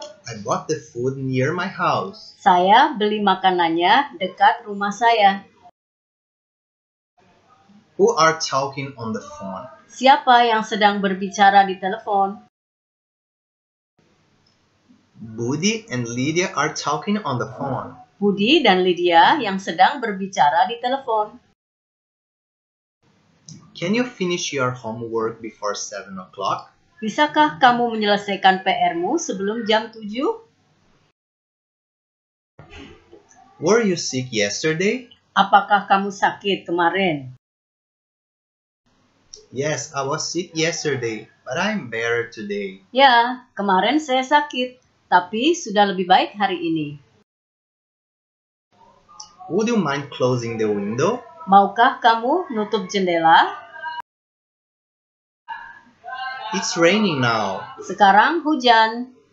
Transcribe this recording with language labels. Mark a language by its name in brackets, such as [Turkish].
[English] I bought the food near my house. [Indonesian] Saya beli makanannya dekat rumah saya. [English] Who are talking on the phone? [Indonesian] Siapa yang sedang berbicara di telepon? [English] Budi and Lydia are talking on the phone. [Indonesian] Budi dan Lydia yang sedang berbicara di telepon. [English] Can you finish your homework before 7 o'clock? [Indonesian] Bisakah kamu menyelesaikan PR-mu sebelum jam 7? [English] Were you sick yesterday? [Indonesian] Apakah kamu sakit kemarin? [English] Yes, I was sick yesterday, but I'm better today. [Indonesian] Ya, kemarin saya sakit, tapi sudah lebih baik hari ini. [English] Would you mind closing the window? [Indonesian] Maukah kamu nutup jendela? [English] It's raining now. [Indonesian] Sekarang hujan.